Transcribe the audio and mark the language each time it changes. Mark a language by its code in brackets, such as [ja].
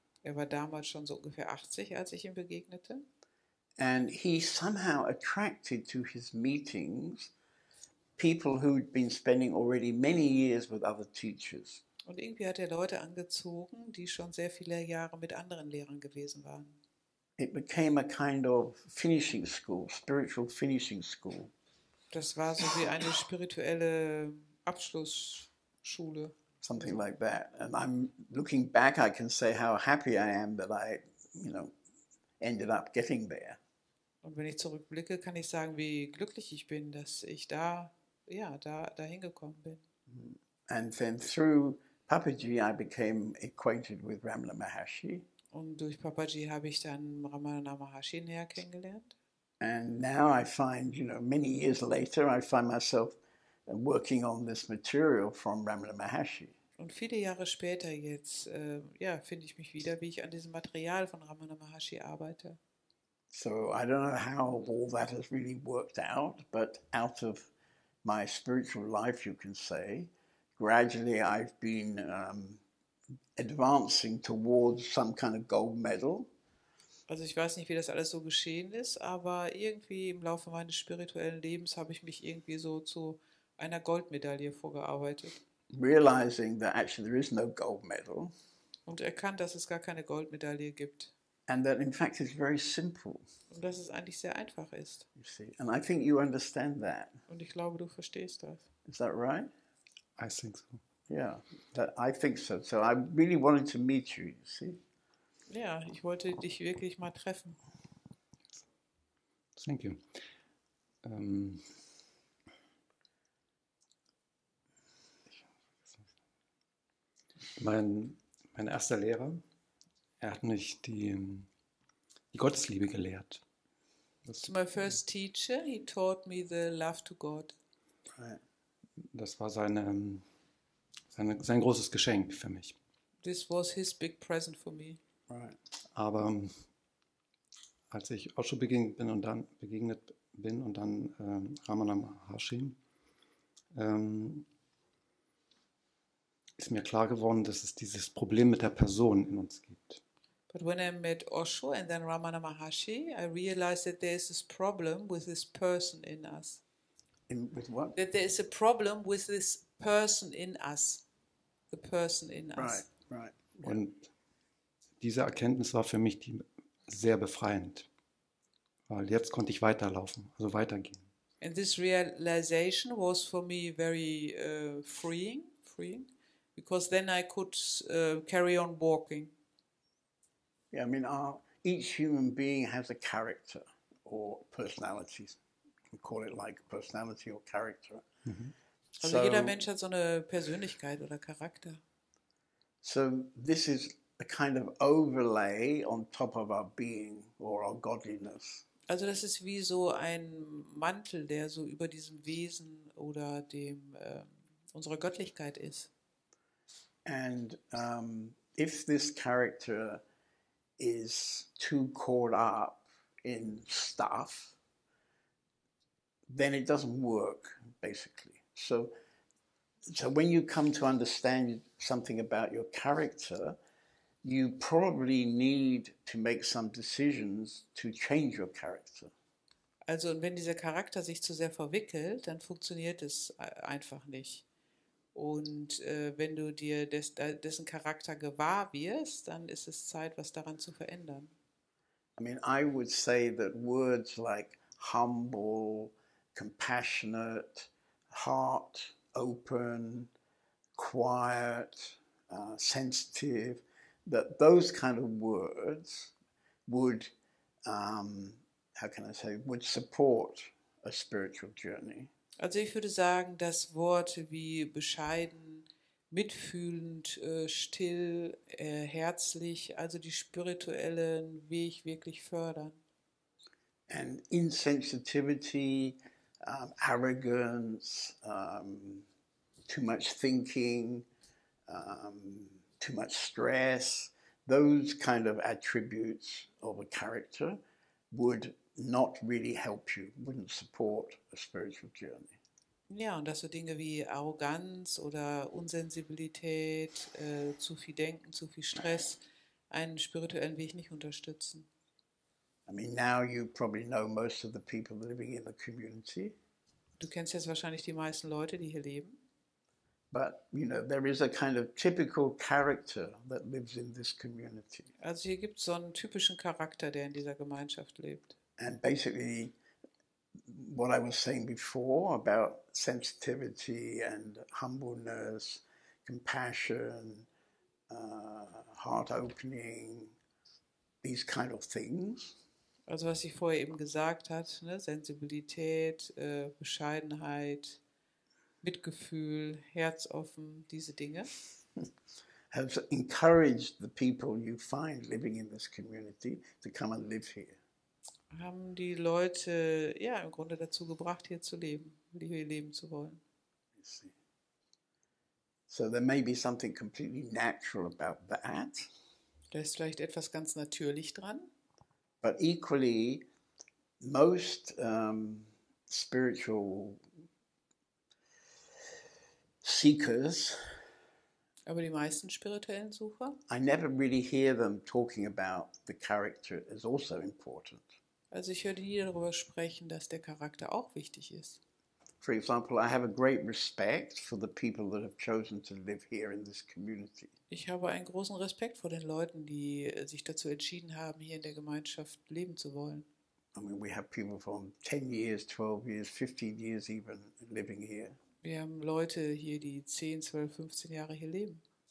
[de] Er war damals schon so ungefähr 80, als ich ihm begegnete. [en] And he somehow attracted to his meetings people who'd been spending already many years with other teachers. [de] Und irgendwie hat er Leute angezogen, die schon sehr viele Jahre mit anderen Lehrern gewesen waren. [en] It became a kind of finishing school, spiritual finishing school. [de] Das war so wie eine spirituelle Abschlussschule. [en] Something like that. And I'm looking back, I can say how happy I am that I, you know, ended up getting there. [de] Und wenn ich zurückblicke, kann ich sagen, wie glücklich ich bin, dass ich da, ja, da hingekommen bin. [en] And then through Papaji, I became acquainted with Ramana Maharshi. [de] Und durch Papaji habe ich dann Ramana Maharshi näher kennengelernt. [en] And now I find, you know, many years later, I find myself working on this material from Ramana Maharshi. [de] Und viele Jahre später jetzt, ja, finde ich mich wieder, wie ich an diesem Material von Ramana Maharshi arbeite. [en] So I don't know how all that has really worked out, but out of my spiritual life, you can say, gradually I've been advancing towards some kind of gold medal. [de] Also ich weiß nicht, wie das alles so geschehen ist, aber irgendwie im Laufe meines spirituellen Lebens habe ich mich irgendwie so zu einer Goldmedaille vorgearbeitet. [en] Realizing that actually there is no gold medal. [de] Und erkannt, dass es gar keine Goldmedaille gibt. [en] And that in fact is very simple. [de] Und dass es eigentlich sehr einfach ist. [en] You see, and I think you understand that. [de] Und ich glaube, du verstehst das. [en] Is that right? I think so. Yeah, that I think so. So I really wanted to meet you, you see. [de] Ja, ich wollte dich wirklich mal treffen. [en] Thank you. [de] Mein erster Lehrer, er hat mich die Gottesliebe gelehrt. Das so [en] my first teacher, he taught me the love to God. [de] Das war sein großes Geschenk für mich. [en] This was his big present for me. Right. [de] Aber als ich Osho begegnet bin und dann Ramana Maharshi, ist mir klar geworden, dass es dieses Problem mit der Person in uns gibt. [en] But when I met Osho and then Ramana Maharshi, I realized that there is this problem with this person in us. With what? That there is a problem with this person in us. The person in us. Right. [de] Und diese Erkenntnis war für mich sehr befreiend, weil jetzt konnte ich weiterlaufen, also weitergehen. [en] And this realization was for me very freeing, because then I could carry on walking. Yeah, I mean, each human being has a character or personality. You can call it like personality or character. Mm-hmm. [de] Also so, jeder Mensch hat so eine Persönlichkeit oder Charakter. [en] So this is a kind of overlay on top of our being or our godliness. [de] Also das ist wie so ein Mantel, der so über diesem Wesen oder dem unserer Göttlichkeit ist. [en] And if this character is too caught up in stuff, then it doesn't work basically. So when you come to understand something about your character, you probably need to make some decisions to change your character. [de] Also, und wenn dieser Charakter sich zu sehr verwickelt, dann funktioniert es einfach nicht. Und wenn du dir dessen Charakter gewahr wirst, dann ist es Zeit, was daran zu verändern. [en] I mean, I would say that words like humble, compassionate, heart open, quiet, sensitive, that those kind of words would, how can I say, would support a spiritual journey. [de] Also ich würde sagen, dass Worte wie bescheiden, mitfühlend, still, herzlich, also die spirituellen Weg wirklich fördern. [en] And insensitivity, arrogance, too much thinking, too much stress, those kind of attributes of a character would not really help you, wouldn't support a spiritual journey. [de] Ja, und dass so Dinge wie Arroganz oder Unsensibilität, zu viel Denken, zu viel Stress einen spirituellen Weg nicht unterstützen. [en] I mean, now you probably know most of the people living in the community. [de] Du kennst jetzt wahrscheinlich die meisten Leute, die hier leben. [en] But you know, there is a kind of typical character that lives in this community. [de] Also hier gibt's so einen typischen Charakter, der in dieser Gemeinschaft lebt. [en] And basically, what I was saying before about sensitivity and humbleness, compassion, heart opening, these kind of things. [de] Also was ich vorher eben gesagt hat, ne, Sensibilität, Bescheidenheit, Mitgefühl, herzoffen, diese Dinge. [en] Have encouraged the people you find living in this community to come and live here. [de] Haben die Leute ja im Grunde dazu gebracht, hier zu leben, hier leben zu wollen. [en] So there may be something completely natural about that. [de] Da ist vielleicht etwas ganz natürlich dran. [en] But equally, most spiritual seekers. [de] Aber die meisten spirituellen Sucher. [en] I never really hear them talking about the character is also important. [de] Also ich höre nie darüber sprechen, dass der Charakter auch wichtig ist. [en] For example, I have a great respect for the people that have chosen to live here in this community. [de] Ich habe einen großen Respekt vor den Leuten, die sich dazu entschieden haben, hier in der Gemeinschaft leben zu wollen. [en] I mean, we have people from 10 years, 12 years, 15 years even living here. [de] Wir haben Leute hier, die 10, 12, 15 Jahre hier leben.